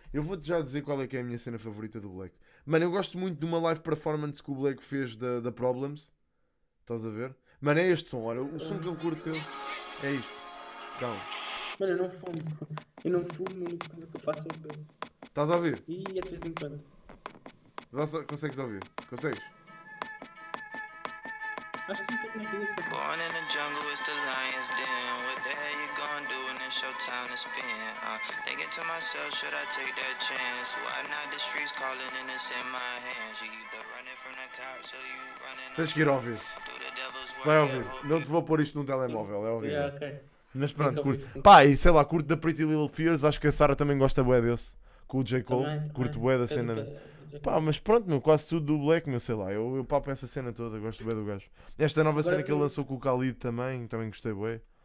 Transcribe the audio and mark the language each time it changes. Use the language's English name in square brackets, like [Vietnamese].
[Portuguese] Eu vou-te já dizer qual é que é a minha cena favorita do Black. Mano, eu gosto muito de uma live performance que o Black fez da Problems. Estás a ver? Mano, é este som, olha. O som que ele curte é isto. Calma. Mano, eu não fumo. Eu não fumo, a única coisa que eu faço é beber. Estás a ouvir? E é de vez em quando. Consegues ouvir? Consegues? [English] Born in the jungle, it's the lion's den. What the hell you gon' do when it's your time to spend? Thinking to myself, should I take that chance? Why not? The streets calling and it's in my hands. You either running from the cops or you running. [Portuguese] Tens que ir ouvir. Vai ouvir. Não te vou pôr isto num telemóvel, é ouvir. [English] Yeah, okay. [Portuguese] Mas pronto, curto. Pá, e sei lá, curto da Pretty Little Fears. Acho que a Sarah também gosta bué desse. Com o J. Cole. Também, curto bué da cena. Que... Pá, mas pronto, meu, quase tudo do Black, meu, sei lá. Eu papo essa cena toda, gosto bué do gajo. Esta nova agora cena que ele lançou com o Khalid também, também gostei bué.